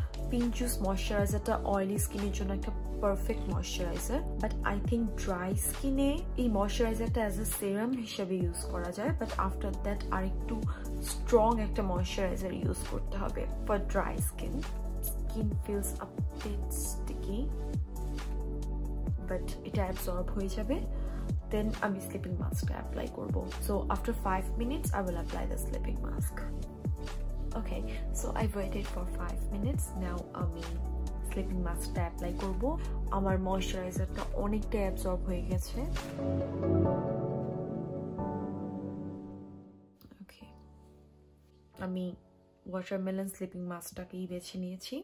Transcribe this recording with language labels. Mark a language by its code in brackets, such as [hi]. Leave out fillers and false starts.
[bn] Pink juice ময়েশ্চারাইজারটা oily স্কিনের জন্য একটা perfect moisturiser, but [en] I think [bn] dry স্কিনে এই ময়েশ্চারাইজারটা অ্যাজ এ সিরাম হিসেবে ইউজ করা যায়, বাট আফটার দ্যাট আর একটু স্ট্রং একটা ময়েশ্চারাইজার ইউজ করতে হবে [en] For dry skin. Skin feels a bit sticky, but [bn] এটা অ্যাবসর্ব হয়ে যাবে। দেন আমি স্লিপিং মাস্কটা অ্যাপ্লাই করবো। [en] So after 5 minutes I will apply the sleeping mask. Okay, so I waited for 5 minutes. [bn] Now আমি স্লিপিং মাস্কটা অ্যাপ্লাই করবো। আমার ময়েশ্চারাইজারটা অনেকটা অ্যাবসর্ব হয়ে গেছে। আমি ওয়াটারমেলন স্লিপিং মাস্কটাকেই বেছে নিয়েছি।